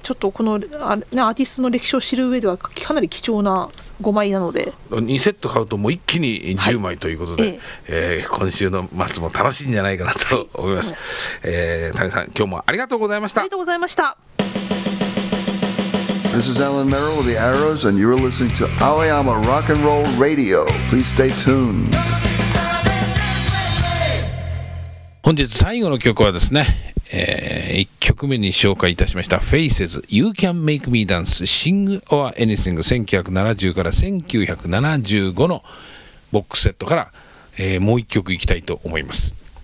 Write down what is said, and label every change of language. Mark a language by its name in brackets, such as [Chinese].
[Japanese] ちょっとこのアーティストの歴史を知る上ではかなり貴重な5枚なので。 2セット買うともう一気に10枚ということで、はい、今週の末も楽しいんじゃないかなと思います。谷さん、今日もありがとうございました。ありがとうございました。 [English] This is Alan Merrill with the Arrows, and you're listening to Aoyama Rock and Roll Radio. Please stay tuned. [Japanese] 本日最後の曲はですね、1曲目に紹介いたしました Faces You Can Make Me Dance Sing or Anything 1970から1975のボックスセットから、もう1曲いきたいと思います。